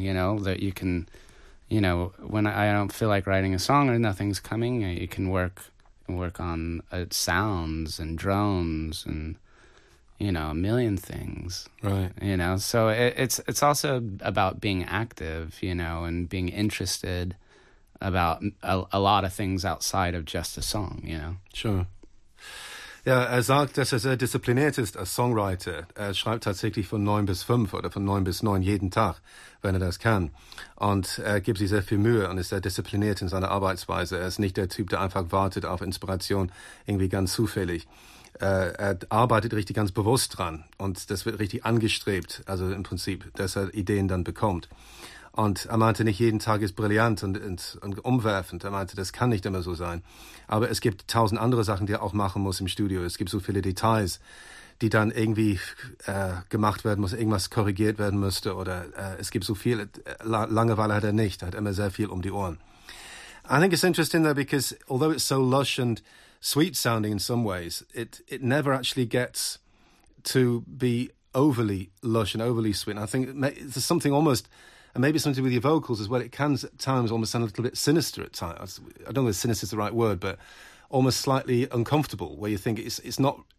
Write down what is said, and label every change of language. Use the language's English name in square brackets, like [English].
[English] You know that you can. You know, when I don't feel like writing a song or nothing's coming, you can work on sounds and drones and, you know, a million things. Right. You know, so it's also about being active, you know, and being interested about a lot of things outside of just a song, you know. Sure. [German] Ja, er sagt, dass er diszipliniert ist als Songwriter. Er schreibt tatsächlich von 9 bis 5 oder von 9 bis 9 jeden Tag, wenn er das kann. Und er gibt sich sehr viel Mühe und ist sehr diszipliniert in seiner Arbeitsweise. Er ist nicht der Typ, der einfach wartet auf Inspiration irgendwie ganz zufällig. Er arbeitet richtig ganz bewusst dran und das wird richtig angestrebt, also im Prinzip, dass er Ideen dann bekommt. Und er meinte, nicht jeden Tag ist brillant und umwerfend. Er meinte, das kann nicht immer so sein. Aber es gibt 1000 andere Sachen, die er auch machen muss im Studio. Es gibt so viele Details, die dann irgendwie gemacht werden muss, irgendwas korrigiert werden müsste. Oder es gibt so viel, Langeweile hat er nicht. Er hat immer sehr viel um die Ohren. [English] I think it's interesting though, because although it's so lush and sweet sounding in some ways, it never actually gets to be overly lush and overly sweet. And I think there's something almost... And maybe something with your vocals as well. It can at times almost sound a little bit sinister at times. I don't know if sinister is the right word, but almost slightly uncomfortable, where you think it's not.